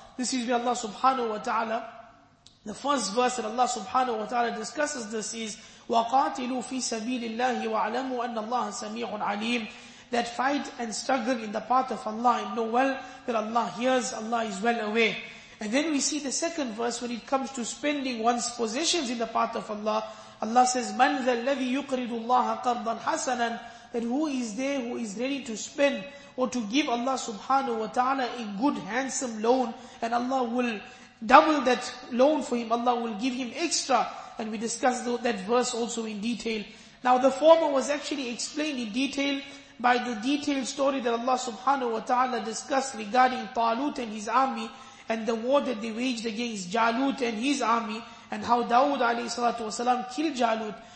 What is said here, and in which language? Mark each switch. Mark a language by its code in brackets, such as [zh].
[en] This is where Allah subhanahu wa ta'ala, the first verse that Allah subhanahu wa ta'ala discusses this is, [ar] وَقَاتِلُوا فِي سَبِيلِ اللَّهِ وَعْلَمُوا أَنَّ اللَّهَ سَمِيعٌ عَلِيمٌ. [en] That fight and struggle in the path of Allah, and know well that Allah hears, Allah is well aware. And then we see the second verse when it comes to spending one's possessions in the path of Allah. Allah says, [ar] مَنْ ذَا الَّذِي يُقْرِضُ اللَّهَ قَرْضًا حَسَنًا. [en] That who is there who is ready to spend or to give Allah subhanahu wa ta'ala a good handsome loan, and Allah will double that loan for him. Allah will give him extra. And we discussed that verse also in detail. Now the former was actually explained in detail by the detailed story that Allah subhanahu wa ta'ala discussed regarding Talut and his army, and the war that they waged against Jalut and his army, and how Dawud alayhi salatu wasalam killed Jalut.